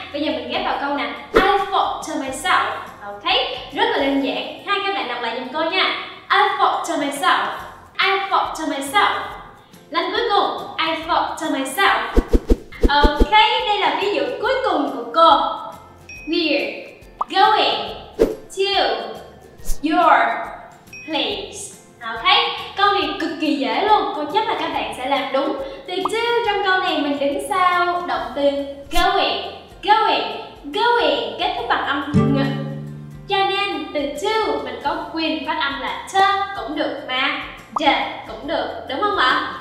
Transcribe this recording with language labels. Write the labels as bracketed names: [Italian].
[Vietnamese] Bây giờ mình ghép vào câu nè. [English] I thought to myself. [Vietnamese] Ok, rất là đơn giản. Hai các bạn đọc lại giùm cô [English] to myself. I fought to myself. [Vietnamese] Lần cuối cùng, [English] I fought to myself. [Vietnamese] Ok, đây là ví dụ cuối cùng của cô. [English] We're going to your place. [Vietnamese] Ok, câu này cực kỳ dễ luôn. Cô chắc là các bạn sẽ làm đúng. Từ to trong câu này mình đứng sau động từ going. Going, going kết thúc bằng âm ng. Cho nên từ to mình có quyền phát âm là to cũng được mà the cũng được, đúng không ạ?